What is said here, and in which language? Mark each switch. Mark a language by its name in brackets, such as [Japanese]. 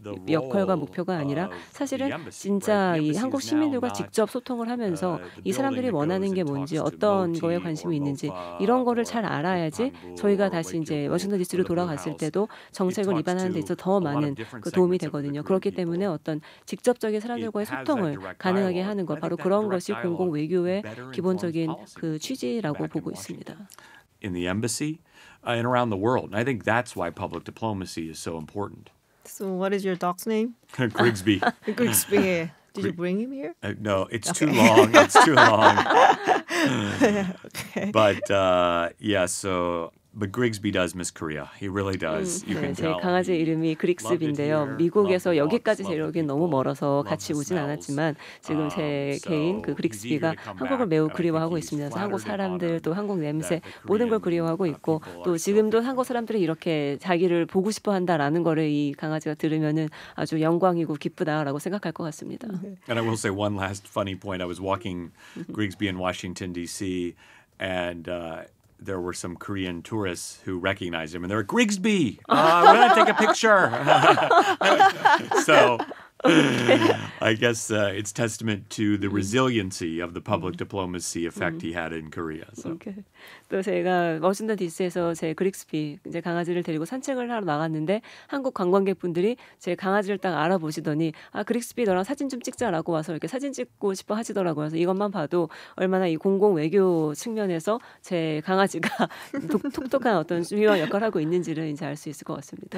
[Korean] 역할과 목표가 아니라 사실은 진짜 이 한국 시민들과 직접 소통을 하면서 이 사람들이 원하는 게 뭔지 어떤 거에 관심이 있는지 이런 거를 잘 알아야지 저희가 다시 이제 워싱턴 DC로 돌아갔을 때도 정책을 위반하는 데 있어서 더 많은 그 도움이 되거든요. 그렇기 때문에 어떤 직접적인 사람들과의 소통을 가능하게 하는 것 바로 그런 것이 공공 외교의 기본적인 그 취지라고 보고 있습니다. [English] In the embassy and around the world, I think that's why public diplomacy is so important. So, what is your dog's name? Grigsby. Grigsby. Did you bring him here? No, it's okay. too long. okay. But yeah, so. But Grigsby does miss Korea. He really does. You can [Korean] 제 강아지 이름이 그릭스비인데요. 미국에서 여기까지 제 여긴 너무 멀어서 같이 오진 않았지만 지금 제 개인 그 그릭스비가 한국을 매우 그리워하고 있습니다. 한국 사람들 또 한국 냄새 모든 걸 그리워하고 있고 또 지금도 한국 사람들이 이렇게 자기를 보고 싶어 한다라는 거를 이 강아지가 들으면은 아주 영광이고 기쁘다라고 생각할 것 같습니다. [English] And I will say one last funny point. I was walking Grigsby in Washington D.C. and there were some Korean tourists who recognized him, and they were, Grigsby, we're going to take a picture. so I guess it's testament to the resiliency of the public diplomacy effect he had in Korea. So. Okay. [Korean] 또 제가 워싱턴 DC에서 제 그릭스비 이제 강아지를 데리고 산책을 하러 나갔는데 한국 관광객분들이 제 강아지를 딱 알아보시더니 아 그릭스비 너랑 사진 좀 찍자라고 와서 이렇게 사진 찍고 싶어 하시더라고요. 그래서 이것만 봐도 얼마나 이 공공 외교 측면에서 제 강아지가 독특한 어떤 중요한 역할을 하고 있는지를 이제 알 수 있을 것 같습니다.